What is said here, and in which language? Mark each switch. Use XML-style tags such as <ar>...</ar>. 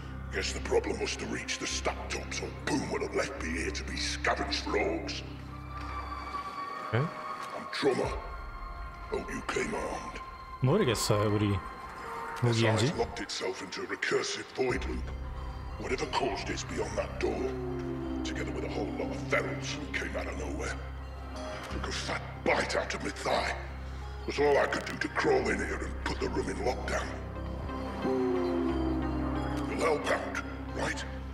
<en>Guess the problem was to reach the stack tops or Boone would have left me here to be scavenged for orgs. Okay. I'm Drummer. Hope you came armed.</en> <ko>모르겠어요, 우리 무기인지.</ko> <en>The size locked itself into a recursive void loop. Whatever caused it's beyond that door. Together with a whole lot of ferals who came out of nowhere. Took a fat bite out of my thigh. Was all I could do to crawl in here and put the room in lockdown. You'll help out, right?</en>